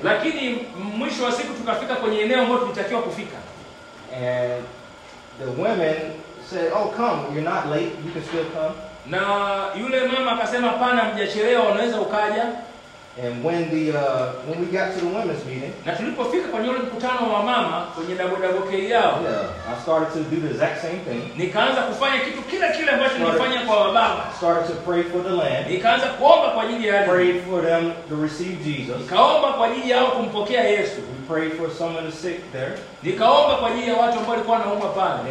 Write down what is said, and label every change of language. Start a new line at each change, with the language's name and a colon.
Swahili: Lakini mwisho wa siku tukafika kwenye eneo ambalo tulitakiwa kufika.
English: And the women said, oh, come, you're not late, you can still come.
Swahili: Na yule mama akasema pana mjachelewa unaweza ukaja.
English: And when we got to the women's meeting,
Swahili: na tulipofika kwenye ile mkutano wa mama kwenye dabodaboke yao,
English: I started to do the exact same thing.
Swahili: Nikaanza kufanya kitu kila kile ambacho nilifanya kwa wababa.
English: Started to pray for the land.
Swahili: Nikaanza kuomba kwa ajili yao.
English: Prayed for them to receive Jesus.
Swahili: Nikaomba kwa ajili yao kumpokea Yesu.
English: We prayed for some of the sick there.
Swahili: Nikaomba kwa ajili ya watu ambao walikuwa wanaumwa pale.